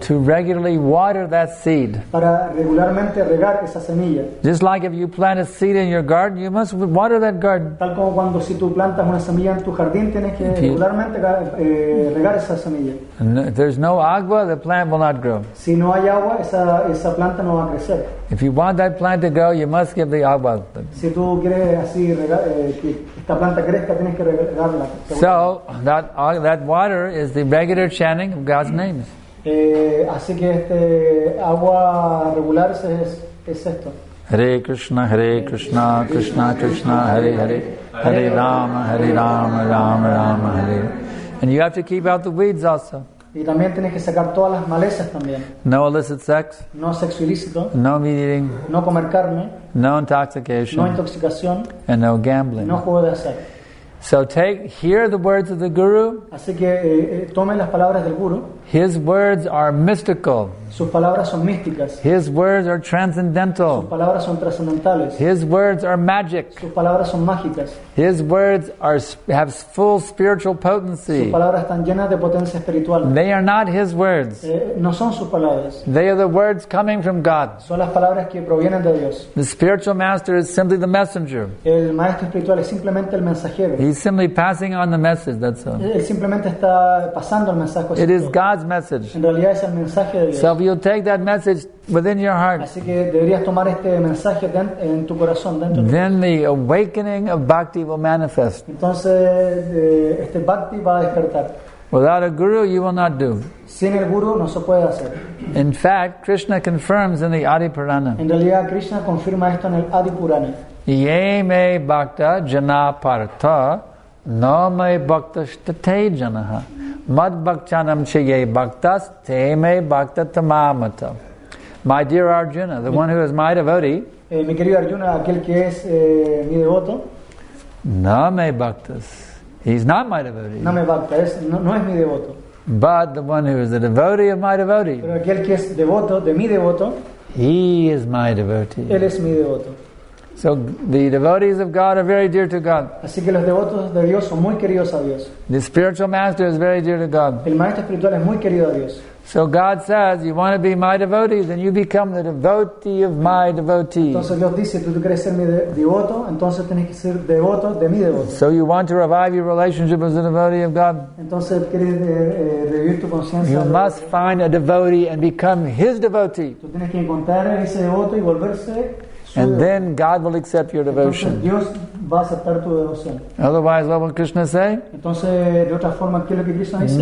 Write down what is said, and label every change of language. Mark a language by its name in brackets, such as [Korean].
[English] to regularly water that seed, [Spanish] para regularmente regar esa semilla. [English] Just like if you plant a seed in your garden, you must water that garden. [Spanish] Tal como cuando si tú plantas una semilla en tu jardín, tienes que regularmente regar esa semilla. [English] If there's no [Spanish] agua, [English] the plant will not grow. [Spanish] Si no hay agua, esa planta no va a crecer. [English] If you want that plant to grow, you must give the [Spanish] agua. Si tú quieres así regar que esta planta crezca, tienes que. [English] So that water is the regular chanting of God's names. [Spanish] Así que este agua regular es esto. [Sanskrit] Hare Krishna, Krishna Krishna, Hare Hare, Hare Rama, Hare Rama, Rama Rama, Hare. [English] And you have to keep out the weeds also. [Spanish] Y también tienes que sacar todas las malezas también. [English] No illicit sex. [Spanish] No sexo ilícito. [English] No meat eating. [Spanish] No comer carne. [English] No intoxication. [Spanish] No intoxicación. [English] And no gambling. [Spanish] No juego de azar. [English] So hear the words of the Guru. [Spanish] Así que tomen las palabras del Guru. [English] His words are mystical. [Spanish] Sus palabras son místicas. [English] His words are transcendental. [Spanish] Sus palabras son trascendentales. [English] His words are magic. [Spanish] Sus palabras son mágicas. [English] His words have full spiritual potency. [Spanish] Sus palabras están llenas de potencia espiritual. [English] They are not his words. [Spanish] No son sus palabras. [English] They are the words coming from God. [Spanish] Son las palabras que provienen de Dios. [English] The spiritual master is simply the messenger. [Spanish] El maestro espiritual es simplemente el mensajero. [English] He's simply passing on the message, that's all. [Spanish] Él simplemente está pasando el mensaje. [English] It is God's message. [Spanish] En realidad es el mensaje de Dios. [English] So if you take that message within your heart, [Spanish] así que deberías tomar este mensaje en tu corazón, dentro de [English] then the awakening of bhakti will manifest. [Spanish] Entonces, este bhakti va a despertar. [English] Without a guru, you will not do. [Spanish] Sin el guru, no se puede hacer. [English] In fact, Krishna confirms in the Adi Purana. [Spanish] En realidad, Krishna confirma esto en el Adi Purana. [Sanskrit] Ye me bhakta jana partha, no me bhakta shtate janaha. Mad bhakchanam chaye bhaktas te me bhakta tamamata. [English] My dear Arjuna, the one who is my devotee. [Spanish] Mi querido Arjuna, aquel que es mi devoto. [Sanskrit] No me bhaktas. [English] He's not my devotee. [Sanskrit] No me bhakta, [Spanish] no es mi devoto. [English] But the one who is the devotee of my devotee. [Spanish] Pero aquel que es devoto de mi devoto. [English] He is my devotee. [Spanish] Él es mi devoto. [English] So the devotees of God are very dear to God. [Spanish] Así que los devotos de Dios son muy queridos a Dios. [English] The spiritual master is very dear to God. [Spanish] El maestro espiritual es muy querido a Dios. [English] So God says, you want to be my devotee, then you become the devotee of my devotee. [Spanish] Entonces Dios dice, tú quieres ser mi devoto, entonces tienes que ser devoto de mi devoto. [English] So you want to revive your relationship as a devotee of God. [Spanish] Entonces quieres revivir tu conciencia. [English] You must find a devotee and become his devotee. [Spanish] Tú tienes que encontrar ese devoto y volverse. [English] And then God will accept your devotion. [Spanish] Dios va a aceptar tu devoción. [English] Otherwise, what will Krishna say? [Spanish] Entonces, de otra forma, ¿qué es lo que Krishna dice?